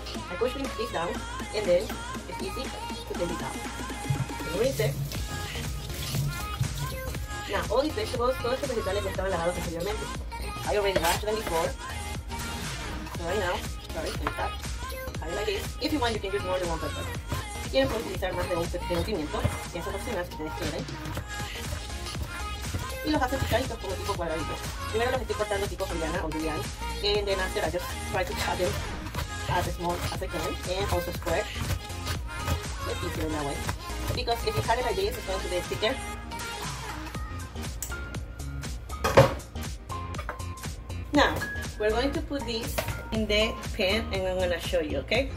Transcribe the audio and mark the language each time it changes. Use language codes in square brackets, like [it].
[en] I push it down, and then it's easy to take it out. Rinse. Now, all these vegetables, [es] todos estos vegetales ya estaban lavados anteriormente. [en] I already washed them before. So right now, sorry, I'm gonna start. Like if you want, you can use more than one pepper. [es] Si quieren, pueden utilizar más de un pimiento, que es opcional, si ustedes quieren. Y los hacen picaditos como tipo cuadraditos. Primero los estoy cortando tipo juliana o julián. [en] And then after, I just try to cut them as small as I can. And also square. It's easier that way. Because if you cut it like this, it's going to be thicker. Now, we're going to put this in the pan and I'm gonna show you, okay?